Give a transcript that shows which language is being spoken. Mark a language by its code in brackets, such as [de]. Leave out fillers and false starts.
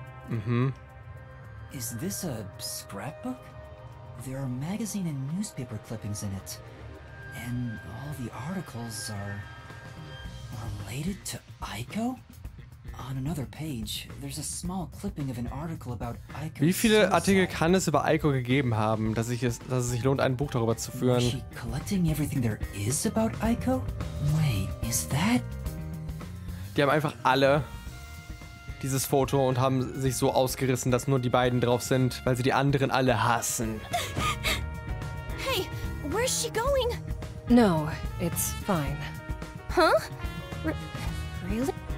[en] Mm-hmm. Is this a scrapbook? There are magazine and newspaper clippings in it. And all the articles are related to Aiko? On another page, there's a small clipping of an article about Aiko. [de] Wie viele [en] suicide. [de] Artikel kann es über Aiko gegeben haben, dass es sich lohnt, ein Buch darüber zu führen? [en] Is she collecting everything there is about Aiko? Wait, Is that... [de] Die haben einfach alle dieses Foto und haben sich so ausgerissen, dass nur die beiden drauf sind, weil sie die anderen alle hassen. [en] Hey, where's she going? No, it's fine. Huh? Really?